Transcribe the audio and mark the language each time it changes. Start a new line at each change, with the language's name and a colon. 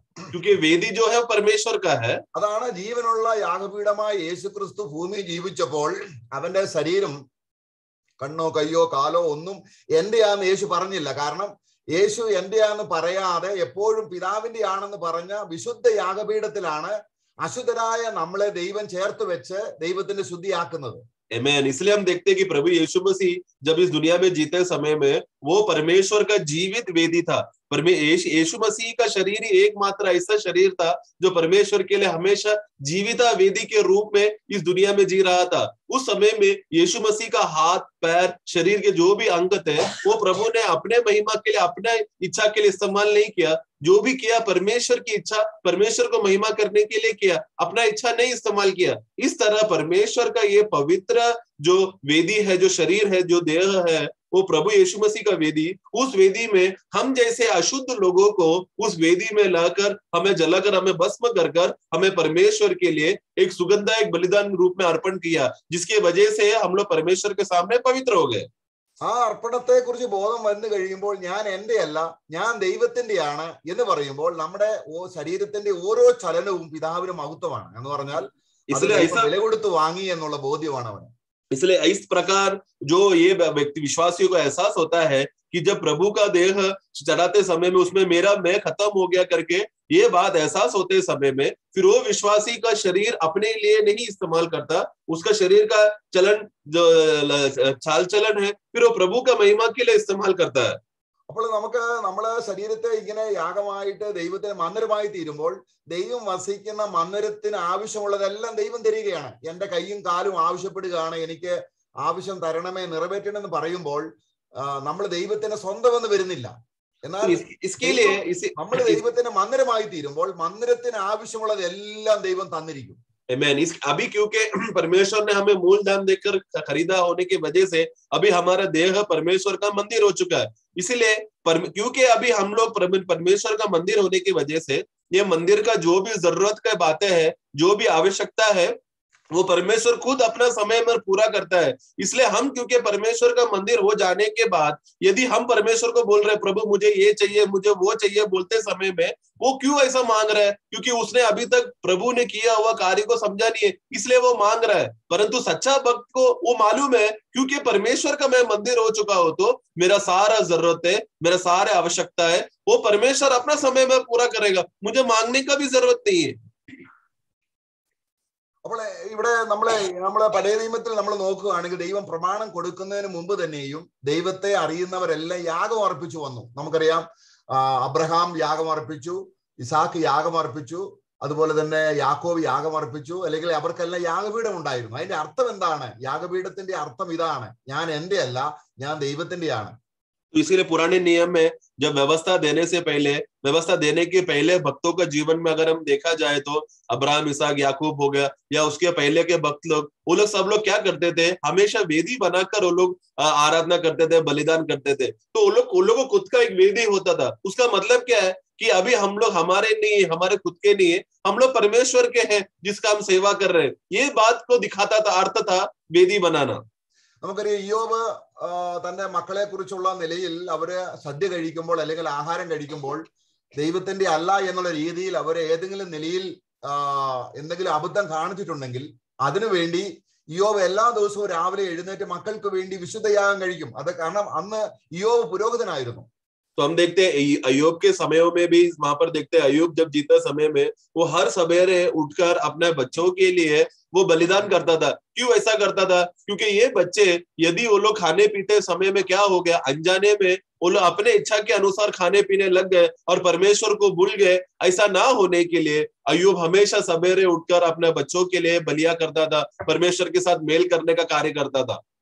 Hindi: क्योंकि वेदी जो है परमेश्वर का है.
Malayalam: അതാണ് ജീവനുള്ള യാഗപീഠമായി യേശുക്രിസ്തു ഭൂമി ജീവിച്ചപ്പോൾ അവന്റെ ശരീരം കണ്ണോ കയ്യോ കാലോ ഒന്നും എന്റെയാന്ന് യേശു പറഞ്ഞില്ല. കാരണം യേശു എന്റെയാന്ന് പറയാതെ എപ്പോഴും പിതാവിന്റെ ആണെന്ന് പറഞ്ഞ വിശുദ്ധ യാഗപീഠത്തിലാണ് അശുദ്ധരായ നമ്മളെ ദൈവം ചേർത്ത് വെച്ച് ദൈവത്തിന്റെ ശുദ്ധിയാക്കുന്നത്.
English: Amen.
Hindi: इसलिए हम देखते हैं कि प्रभु यीशु मसीह जब इस दुनिया में जीते समय में वो परमेश्वर का जीवित वेदी था. यीशु मसीह का शरीर ही एकमात्र ऐसा शरीर था जो परमेश्वर के लिए हमेशा जीविता वेदी के रूप में इस दुनिया में जी रहा था. उस समय में यीशु मसीह का हाथ, पैर, शरीर के जो भी अंग थे वो प्रभु ने अपने महिमा के लिए, अपने इच्छा के लिए इस्तेमाल नहीं किया. जो भी किया परमेश्वर की इच्छा, परमेश्वर को महिमा करने के लिए किया, अपना इच्छा नहीं इस्तेमाल किया. इस तरह परमेश्वर का ये पवित्र जो वेदी है, जो शरीर है, जो देह है, वो प्रभु यीशु मसीह का वेदी, उस वेदी में हम जैसे अशुद्ध लोगों को उस वेदी में लाकर, हमें जलाकर, हमें भस्म कर हमें परमेश्वर के लिए एक सुगंधदायक बलिदान रूप में अर्पण किया, जिसके वजह से हम लोग परमेश्वर के सामने पवित्र हो गए.
Malayalam: ആ അർപ്പണത്തെ കുറിച്ച് ബോധം വന്നു കഴിയുമ്പോൾ ഞാൻ എന്റെയല്ല, ഞാൻ ദൈവത്തിന്റെയാണ് എന്ന് പറയുമ്പോൾ നമ്മുടെ ശരീരത്തിന്റെ ഓരോ ചലനവും പിതാവിന് മഹത്വമാണ് എന്ന് പറഞ്ഞാൽ വില കൊടുത്ത് വാങ്ങി എന്നുള്ള ബോധ്യമാണ് അവന്.
Hindi: इसलिए इस प्रकार जो ये व्यक्ति विश्वासियों को एहसास होता है कि जब प्रभु का देह चढ़ाते समय में उसमें मेरा मैं खत्म हो गया करके ये बात एहसास होते समय में, फिर वो विश्वासी का शरीर अपने लिए नहीं इस्तेमाल करता, उसका शरीर का चलन जो चाल चलन है फिर वो प्रभु का महिमा के लिए इस्तेमाल करता है.
Malayalam: അപ്പോൾ നമുക്ക് നമ്മളെ ശരീരത്തെ ഇങ്ങനെ യാഗമായിട്ട് ദൈവത്തിന് മന്ദിരമായി തീരുമ്പോൾ ദൈവം വസിക്കുന്ന മന്ദിരത്തിന് ആവശ്യമുള്ളതെല്ലാം ദൈവം തരികയാണ്. എന്റെ കൈയും കാലും ആവശ്യപ്പെടുകയാണ്, എനിക്ക് ആവശ്യം തരണമേ, നിറവേറ്റണം എന്ന് പറയുമ്പോൾ നമ്മൾ ദൈവത്തിന്റെ സ്വന്തമെന്ന് വരുന്നില്ല. എന്നാൽ നമ്മൾ ദൈവത്തിന്റെ മന്ദിരമായി തീരുമ്പോൾ മന്ദിരത്തിന് ആവശ്യമുള്ളതെല്ലാം ദൈവം തന്നിരിക്കും.
English: Amen.
Hindi: अभी क्योंकि परमेश्वर ने हमें मूल दान देकर खरीदा होने की वजह से अभी हमारा देह परमेश्वर का मंदिर हो चुका है. इसीलिए क्योंकि अभी हम लोग परमेश्वर का मंदिर होने की वजह से ये मंदिर का जो भी जरूरत का बातें है, जो भी आवश्यकता है, वो परमेश्वर खुद अपना समय में पूरा करता है. इसलिए हम क्योंकि परमेश्वर का मंदिर हो जाने के बाद यदि हम परमेश्वर को बोल रहे प्रभु मुझे ये चाहिए, मुझे वो चाहिए बोलते समय में, वो क्यों ऐसा मांग रहा है? क्योंकि उसने अभी तक प्रभु ने किया हुआ कार्य को समझा नहीं है, इसलिए वो मांग रहा है. परंतु सच्चा भक्त को वो मालूम है क्योंकि परमेश्वर का मैं मंदिर हो चुका हूं, तो मेरा सारा जरूरत है, मेरा सारे आवश्यकता है वो परमेश्वर अपना समय में पूरा करेगा, मुझे मांगने का भी जरूरत नहीं है.
Malayalam: അപ്പോൾ ഇവിടെ നമ്മളെ പഴയ നിയമത്തിൽ നമ്മൾ നോക്കുകയാണെങ്കിൽ ദൈവം പ്രമാണം കൊടുക്കുന്നതിന് മുമ്പ് തന്നെയും ദൈവത്തെ അറിയുന്നവരെല്ലാം യാഗം അർപ്പിച്ചു വന്നു. നമുക്കറിയാം അബ്രഹാം യാഗം അർപ്പിച്ചു, ഇസാക്ക് യാഗം അർപ്പിച്ചു, അതുപോലെ തന്നെ യാക്കോവ് യാഗം അർപ്പിച്ചു, അല്ലെങ്കിൽ അവർക്കെല്ലാം യാഗപീഠം ഉണ്ടായിരുന്നു. അതിന്റെ അർത്ഥം എന്താണ്? യാഗപീഠത്തിന്റെ അർത്ഥം ഇതാണ്, ഞാൻ എന്റെ അല്ല, ഞാൻ ദൈവത്തിന്റെയാണ്.
Hindi: इसीलिए पुराने नियम में जब व्यवस्था देने से पहले, व्यवस्था देने के पहले भक्तों का जीवन में अगर हम देखा जाए तो अब्राहम, इसहाक, याकूब हो गया या उसके पहले के भक्त लोग, वो लोग सब लोग क्या करते थे? हमेशा वेदी बनाकर वो लोग आराधना करते थे, बलिदान करते थे. तो वो लोगों को खुद का एक वेदी होता था. उसका मतलब क्या है? कि अभी हम लोग हमारे नहीं, हमारे खुद के नहीं है, हम लोग परमेश्वर के हैं जिसका हम सेवा कर रहे हैं, ये बात को दिखाता था, अर्थ था वेदी बनाना।
Malayalam: നമുക്കറിയാം ഇയ്യോബ് തന്റെ മക്കളെ കുറിച്ചുള്ള നിലയിൽ അവര് സദ്യ കഴിക്കുമ്പോൾ അല്ലെങ്കിൽ ആഹാരം കഴിക്കുമ്പോൾ ദൈവത്തിന്റെ അല്ല എന്നുള്ള രീതിയിൽ അവരെ ഏതെങ്കിലും നിലയിൽ എന്തെങ്കിലും അബദ്ധം കാണിച്ചിട്ടുണ്ടെങ്കിൽ അതിനുവേണ്ടി ഇയ്യോബ് എല്ലാ ദിവസവും രാവിലെ എഴുന്നേറ്റ് മക്കൾക്ക് വേണ്ടി വിശുദ്ധയാഗം കഴിക്കും. അത് കാരണം അന്ന് ഇയ്യോബ് പുരോഹിതനായിരുന്നു.
Hindi: അയ്യോബ് കെ സമയം മേ ബി വാപ്പർ ദേഖ്തേ അയ്യോബ് ജബ് ജീത സമയം മേ വോ ഹർ സവേരെ ഉട്ക്കർ അപ്നെ ബച്ചോ കേ ലിയേ वो बलिदान करता था. क्यों ऐसा करता था? क्योंकि ये बच्चे यदि वो लोग खाने पीते समय में क्या हो गया, अनजाने में वो लोग अपने इच्छा के अनुसार खाने पीने लग गए और परमेश्वर को भूल गए, ऐसा ना होने के लिए अय्यूब हमेशा सवेरे उठकर अपने बच्चों के लिए बलिया करता था, परमेश्वर के साथ मेल करने का कार्य करता था.